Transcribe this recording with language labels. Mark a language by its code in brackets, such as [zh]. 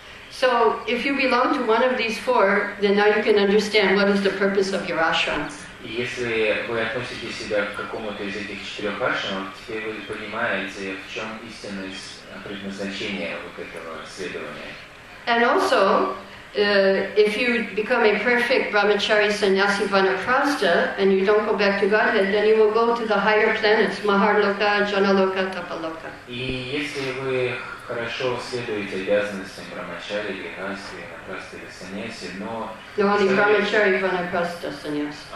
[en] So if you belong to one of these four, then now you can understand what is the purpose of your ashram. [ru] Если вы относите себя к какому-то из этих четырех ашрам, теперь вы понимаете, в чем истинное предназначение вот этого следования. [en] And also, if you become a perfect brahmachari sannyasi vanaprastha and you don't go back to Godhead, then you will go to the higher planets, Maharloka, Janaloka, Tapaloka. [ru] И если вы хорошо следуете обязанностям брамачари, грихасты, ванапрасты или саньяси, но... [en] No, only [ru] брамачари, ванапрасты, саньяси.